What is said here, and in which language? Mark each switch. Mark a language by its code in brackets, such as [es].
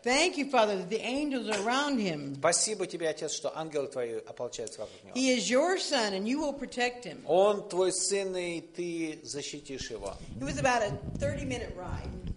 [en] Thank you, Father, that the angels are around him. [ru] Спасибо тебе, отец, что ангелы твои ополчаются вокруг него. [en] He is your son, and you will protect him. [ru] Он твой сын, и ты защитишь его. [en] It was about a 30-minute ride.